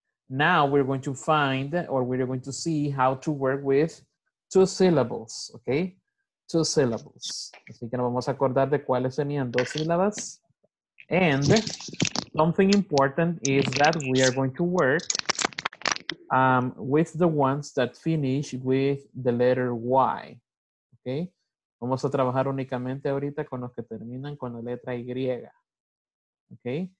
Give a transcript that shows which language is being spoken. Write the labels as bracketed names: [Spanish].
[English] Now we're going to find, or we're going to see how to work with two syllables, okay? Two syllables. [Spanish] Así que nos vamos a acordar de cuáles tenían dos sílabas. [English] And something important is that we are going to work with the ones that finish with the letter Y, okay? [Spanish] Vamos a trabajar únicamente ahorita con los que terminan con la letra Y, okay?